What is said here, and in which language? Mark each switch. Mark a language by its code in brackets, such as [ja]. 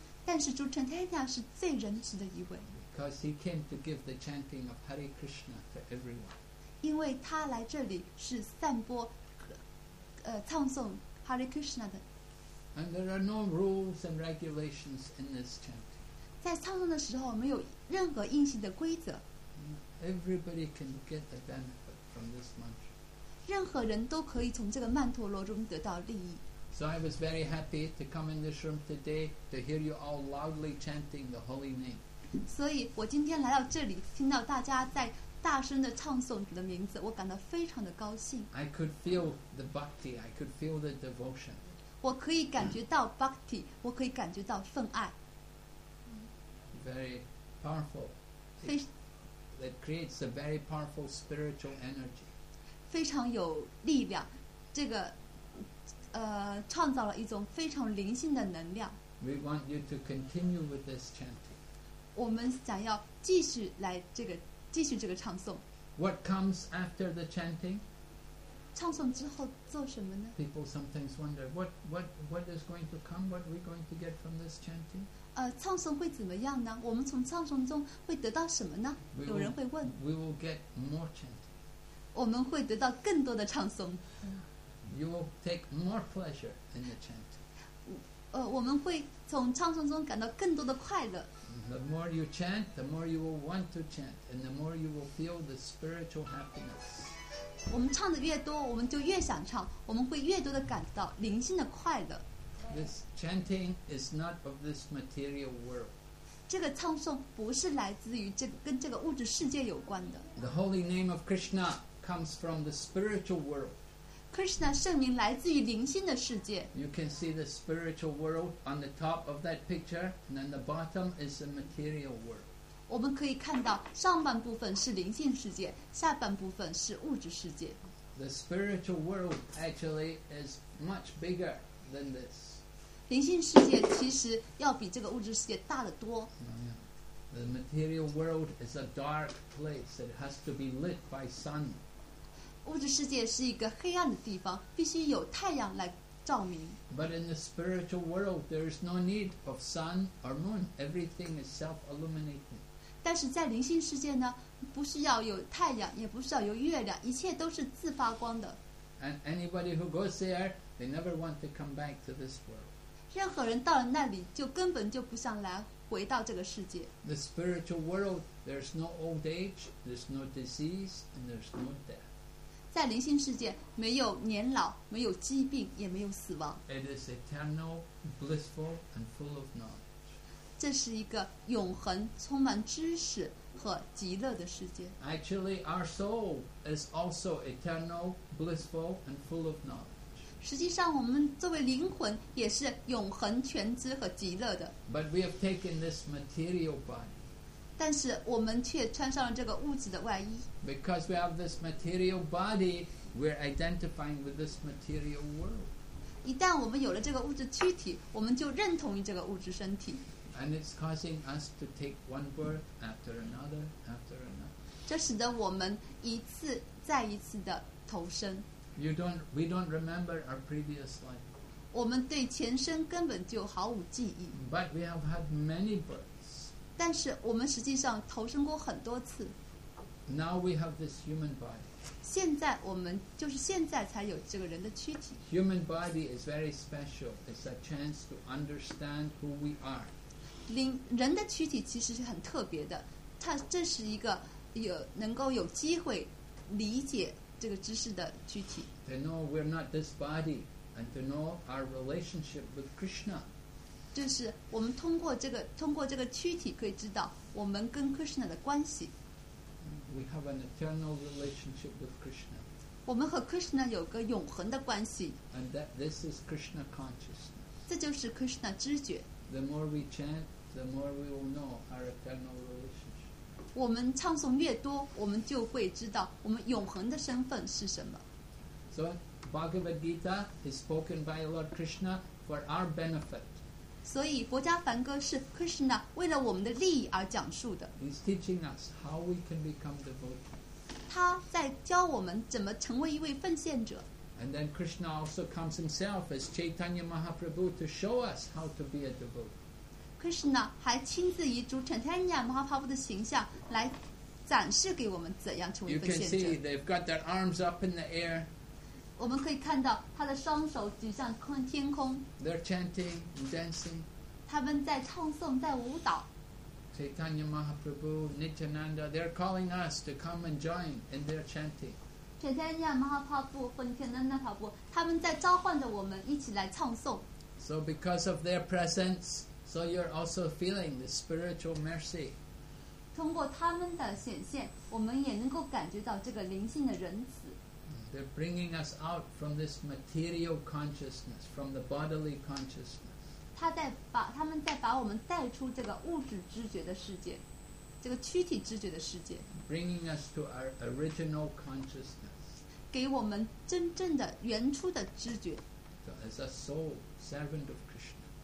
[zh] 但是主 Chaitanya 是最仁慈的一位。 [en] Because he came to give the chanting of Hare Krishna to everyone. [zh] 因为他来这里是散播，唱诵 Hare Krishna 的。 [en] And there are no rules and regulations in this chanting. [zh] 在唱诵的时候没有任何硬性的规则。 [en] Everybody can get the benefit from this mantra. [zh] 任何人都可以从这个曼陀罗中得到利益。 [en] So I was very happy to come in this room today to hear you all loudly chanting the holy name. [zh] 所以我今天来到这里，听到大家在大声的唱诵你的名字，我感到非常的高兴。 [en] I could feel the bhakti, I could feel the devotion. [zh] 我可以感觉到 bhakti, 我可以感觉到份爱。 [en] Very powerful. That creates a very powerful spiritual energy. [zh] 非常有力量，这个创造了一种非常灵性的能量。 [en] We want you to continue with this chanting. [zh] 我们想要继续这个唱诵。 [en] What comes after the chanting? [zh] 唱诵之后做什么呢？ [en] People sometimes wonder what is going to come, what are we going to get from this chanting? [zh] 唱诵会怎么样呢？我们从唱诵中会得到什么呢？有人会问。 [en] We will get more chanting. [zh] 我们会得到更多的唱诵。 [en] You will take more pleasure in the chanting. [zh] 我们会从唱诵中感到更多的快乐。 [en] The more you chant, the more you will want to chant, and the more you will feel the spiritual happiness. [zh] 我们唱的越多，我们就越想唱，我们会越多的感到灵性的快乐。 [en] This chanting is not of this material world. [zh] 这个唱诵不是来自于这个、跟这个物质世界有关的。 [en] The holy name of Krishna comes from the spiritual world. [zh] Krishna 圣名来自于灵性的世界。 [en] You can see the spiritual world on the top of that picture, and then the bottom is the material world. [zh] 我们可以看到上半部分是灵性世界，下半部分是物质世界。 [en] The spiritual world actually is much bigger than this. [zh] 灵性世界其实要比这个物质世界大得多。 [en] The material world is a dark place. It has to be lit by sun. [zh] 物质世界是一个黑暗的地方，必须有太阳来照明。 [en] But in the spiritual world, there is no need of sun or moon. Everything is self-illuminating. [zh] 但是在灵性世界呢，不需要有太阳，也不需要有月亮，一切都是自发光的。 [en] And anybody who goes there, they never want to come back to this world. [zh] 任何人到了那里，就根本就不想来回到这个世界。 [en] The spiritual world, there is no old age, there is no disease, and there is no death. [zh] 在灵性世界，没有年老，没有疾病，也没有死亡。 [en] It is eternal, blissful, and full of knowledge. [zh] 这是一个永恒、充满知识和极乐的世界。 [en] Actually, our soul is also eternal, blissful, and full of knowledge. [zh] 实际上，我们作为灵魂也是永恒、全知和极乐的。 [en] But we have taken this material body. [zh] 但是我们却穿上了这个物质的外衣。 [en] Because we have this material body, we're identifying with this material world. [zh] 一旦我们有了这个物质躯体，我们就认同于这个物质身体。 [en] And it's causing us to take one birth after another after another. [zh] 这使得我们一次再一次的投生。 [en] We don't remember our previous life. [zh] 我们对前生根本就毫无记忆。 [en] But we have had many births. [zh] 但是我们实际上投生过很多次。 [en] Now we have this human body. [zh] 现在我们就是现在才有这个人的躯体。 [en] Human body is very special. It's a chance to understand who we are. [zh] 人的躯体其实是很特别的，它这是一个有能够有机会理解这个知识的躯体。 [en] To know we're not this body, and to know our relationship with Krishna. [zh] 就是我们通过这个躯体可以知道我们跟 Krishna 的关系。 [en] We have an eternal relationship with Krishna. [zh] 我们和 Krishna 有个永恒的关系。 [en] And that this is Krishna consciousness. [zh] 这就是 Krishna 知觉。 [en] The more we chant, the more we will know our eternal relationship. [zh] 我们唱诵越多，我们就会知道我们永恒的身份是什么。 [en] So Bhagavad Gita is spoken by Lord Krishna for our benefit. [zh] 所以佛家梵歌是 Krishna 为了我们的利益而讲述的。 [en] He's teaching us how we can become devotees. [zh] 他在教我们怎么成为一位奉献者。 [en] And then Krishna also comes himself as Chaitanya Mahaprabhu to show us how to be a devotee. [zh] Krishna 还亲自以主 Chaitanya Mahaprabhu 的形象来展示给我们怎样成为奉献者。 [en] You can see they've got their arms up in the air. [zh] 我们可以看到他的双手举向天空。 [en] They're chanting and dancing. [zh] 他们在唱诵，在舞蹈。 [en] Chaitanya Mahaprabhu, Nityananda, they're calling us to come and join in their chanting. [zh] Chaitanya Mahaprabhu 和 Nityananda Prabhu, 他们在召唤着我们一起来唱诵。 [en] So because of their presence, so you're also feeling the spiritual mercy. [zh] 通过他们的显现，我们也能够感觉到这个灵性的仁慈。 [en] They're bringing us out from this material consciousness, from the bodily consciousness. [zh] 他们在把我们带出这个物质知觉的世界，这个躯体知觉的世界。 [en] Bringing us to our original consciousness. [zh] 给我们真正的原初的知觉。 [en] So as a soul, servant of Krishna.